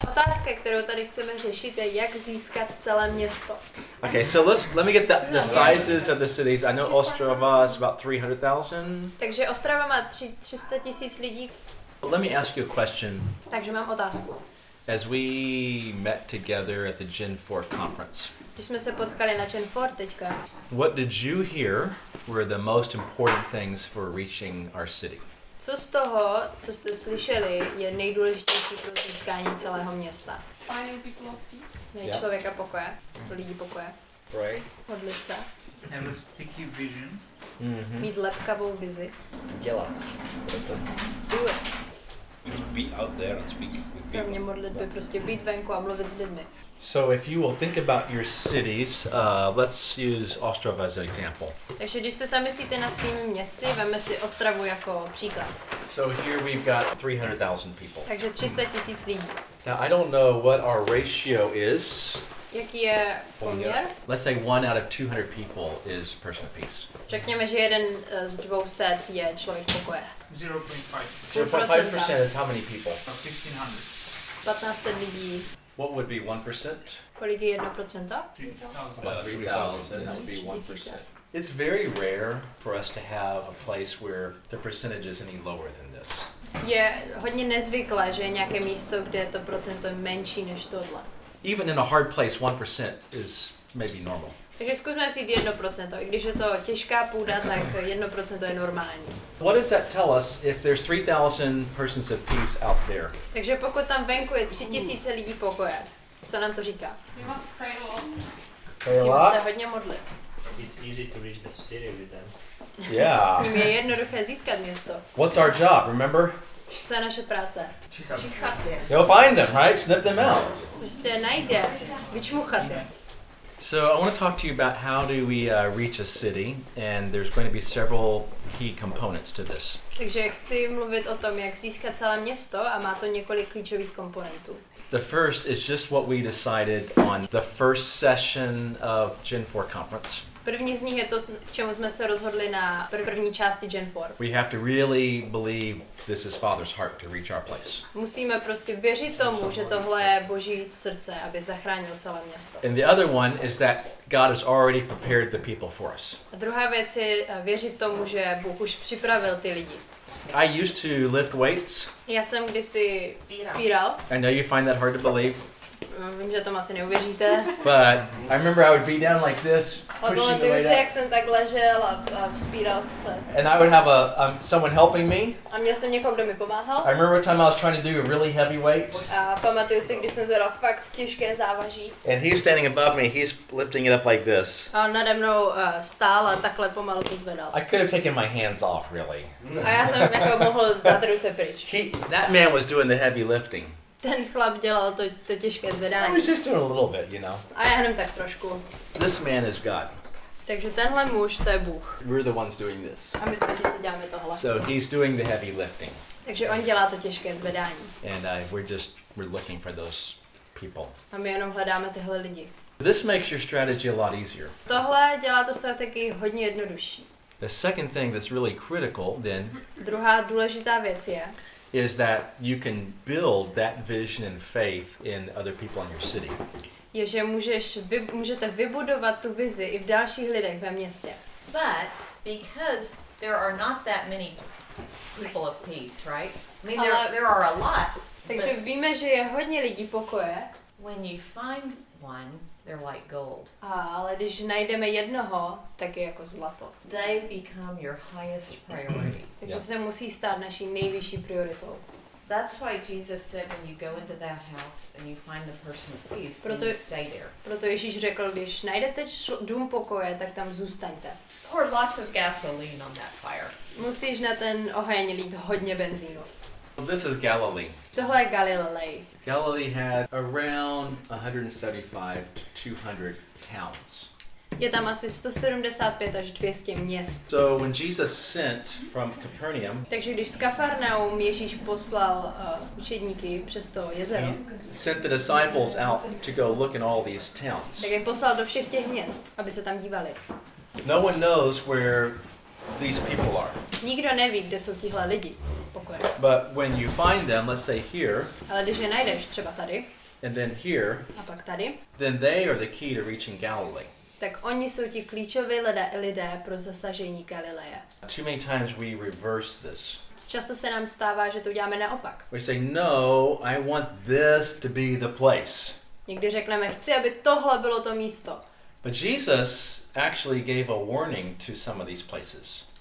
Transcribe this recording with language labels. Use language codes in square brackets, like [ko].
[cs] otázka, kterou tady chceme řešit, je jak získat celé město. [en] Okay, so let me get the sizes of the cities. I know Ostrava is about 300,000. [cs] Takže Ostrava má 300,000 lidí. [en] Let me ask you a question. [cs] Takže mám otázku. [en] As we met together at the Gen 4 conference. [cs] Když jsme se potkali na Gen 4 teďka. [en] What did you hear were the most important things for reaching our city? [cs] Co z toho, co jste slyšeli, je nejdůležitější pro získání celého města? [en] Finding people of peace. [cs] Nej, člověka pokoje, lidi pokoje. [en] Right. [cs] Modlit se. [en] And a sticky vision. [cs] Mm-hmm. Mít lepkavou vizi. Dělat. [en] Do it. Be out there and speak with people. [cs] Pro mě modlitby, prostě být venku a mluvit s lidmi. [en] So if you will think about your cities, let's use Ostrava as an example. [cs] Takže když se zamyslíte nad svými městy, vezměme si Ostravu jako příklad. [en] So here we've got 300,000 people. [cs] Takže 300,000 lidí. [en] Now I don't know what our ratio is. [cs] Jaký je poměr? [en] Let's say 1 out of 200 people is person of peace. [cs] Řekněme, že jeden z 200 je člověk pokoje. [en] 0.5% is how many people? [cs] 1,500 lidí. [en] What would be 1%? [cs] Kolik je 1%? [en] 3,000 would be 1%. It's very rare for us to have a place where the percentage is any lower than this. [cs] Je hodně nezvyklé, že je nějaké místo, kde to procento je menší než tohle. [en] Even in a hard place, 1% is maybe normal. [cs] Takže zkusme vzít 1%, i když je to těžká půda, tak 1% je normální. [en] What does that tell us if there's 3,000 persons of peace out there? [cs] Takže pokud tam venku je 3,000 lidí pokoje, co nám to říká? [en] We must pray a lot. Pray a lot. [cs] Musíme se hodně modlit. [en] It's easy to reach the city with them. Yeah. [cs] S nimi je jednoduché získat město. [en] What's our job, remember? [cs] Co je naše práce? Čichat [en] je. You'll find them, right? Sniff them out. [cs] Prostě najde je, vyčmuchat je. [en] So I want to talk to you about how do we reach a city, and there's going to be several key components to this. [cs] Takže chci mluvit o tom, jak získat celé město, a má to několik klíčových komponentů. [en] The first is just what we decided on the first session of Gen 4 conference. [cs] První z nich je to, k čemu jsme se rozhodli na první části Gen 4. [en] We have to really believe this is Father's heart to reach our place. [cs] Musíme prostě věřit tomu, že tohle je Boží srdce, aby zachránil celé město. [en] And the other one is that God has already prepared the people for us. [cs] A druhá věc je věřit tomu, že Bůh už připravil ty lidi. [en] I used to lift weights. [cs] Já jsem kdysi spíral. [en] I know you find that hard to believe. [cs] Vím, že tomu asi neuvěříte. [en] But I remember I would be down like this. And I would have someone helping me. [cs] A měl jsem někoho, kdo mi pomáhal. [en] I remember a time I was trying to do a really heavy weight. [cs] A pamatuju si, když jsem zvedal fakt těžké závaží. [en] And he's standing above me, he's lifting it up like this. [cs] A on nade mnou stál a takhle pomalu to zvedal. [en] I could have taken my hands off, really. [cs] A já jsem jako mohl dát ruce pryč. [en] That man was doing the heavy lifting. [cs] Ten chlap dělal to těžké zvedání. [en] I was just doing a little bit, you know. [cs] A já jenom tak trošku. [en] This man is God. [cs] Takže tenhle muž, to je Bůh. [en] We're the ones doing this. [cs] A my jsme ti, co děláme tohle. [en] So he's doing the heavy lifting. [cs] Takže on dělá to těžké zvedání. [en] And we're looking for those people. [cs] A my jenom hledáme tyhle lidi. [en] This makes your strategy a lot easier. [cs] Tohle dělá tu strategii hodně jednodušší. [en] The second thing that's really critical then. [cs] Druhá důležitá věc je. [en] Is that you can build that vision and faith in other people in your city. [cs] Je, že můžete vybudovat tu vizi i v dalších lidech ve městě. [en] But because there are not that many people of peace, right? I mean, there are a lot. [cs] Takže víme, že je hodně lidí pokoje. [en] When you find one, they're like gold. [cs] Ale když najdeme jednoho, tak je jako zlato. [en] They become your highest priority. [cs] Takže se musí stát naší nejvyšší prioritou. [en] That's why Jesus said when you go into that house and you find the person of peace, then you stay there. [cs] Proto Ježíš řekl, když najdete dům pokoje, tak tam zůstaňte. [en] Pour lots of gasoline on that fire. [cs] Musíš na ten oheň lít hodně benzínu. [en] This is Galilee. [cs] Tohle je Galilei. [en] Galilee had around 175 to 200 towns. [cs] Je tam asi 175 až 200 měst. [en] So when Jesus sent from Capernaum, [cs] takže když z Kafarnaum Ježíš poslal učedníky přes to jezero, [en] he sent the disciples out to go look in all these towns. [cs] Tak je poslal do všech těch měst, aby se tam dívali. [en] No one knows where these people are. [cs] Nikdo neví, kde jsou tihle lidi. [en] Okay. But when you find them, let's say here. [cs] Ale když je najdeš třeba tady. [en] And then here. [cs] A pak tady. [en] Then they are the key to reaching Galilee. [cs] Tak oni jsou ti klíčoví lidé pro zasažení Galileje. [en] Too many times we reverse this. [cs] Často se nám stává, že to uděláme naopak. [en] We say no, I want this to be the place. [cs] Někdy řekneme, chci, aby tohle bylo to místo. [en] But Jesus actually gave a warning to some of these places.